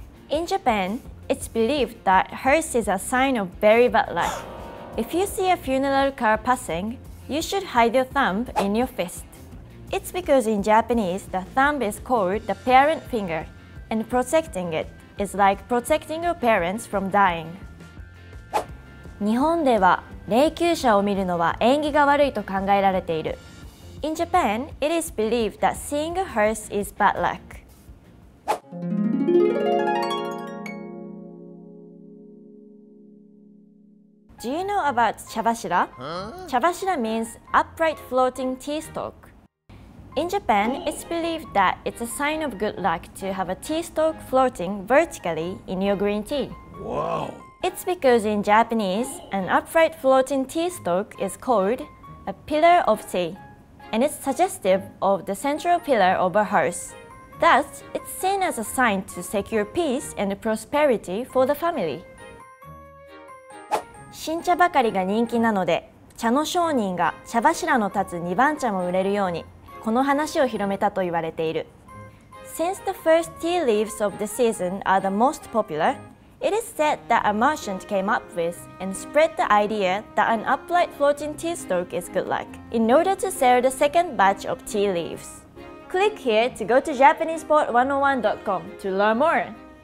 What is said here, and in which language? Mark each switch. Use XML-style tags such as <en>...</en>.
<en>In Japan, it's believed that hearse is a sign of very bad luck. If you see a funeral car passing, you should hide your thumb in your fist. It's because in Japanese, the thumb is called the parent finger, and protecting it is like protecting your parents from dying.</en> <ja>日本では霊柩車を見るのは縁起が悪いと考えられている。</ja> <en>In Japan, it is believed that seeing a hearse is bad luck. Do you know about 茶柱?Huh? 茶柱 means upright floating tea stalk. In Japan, it's believed that it's a sign of good luck to have a tea stalk floating vertically in your green tea. Wow! It's because in Japanese, an upright floating tea stalk is called a pillar of tea, and it's suggestive of the central pillar of a hearse. Thus, it's seen as a sign to secure peace and prosperity for the family.</en> <ja>新茶ばかりが人気なので、茶の商人が茶柱の立つ2番茶も売れるように、この話を広めたと言われている。</ja> <en>Since the first tea leaves of the season are the most popular,It is said that a merchant came up with and spread the idea that an upright floating tea stalk is good luck in order to sell the second batch of tea leaves. Click here to go to JapanesePort101.com to learn more!</en>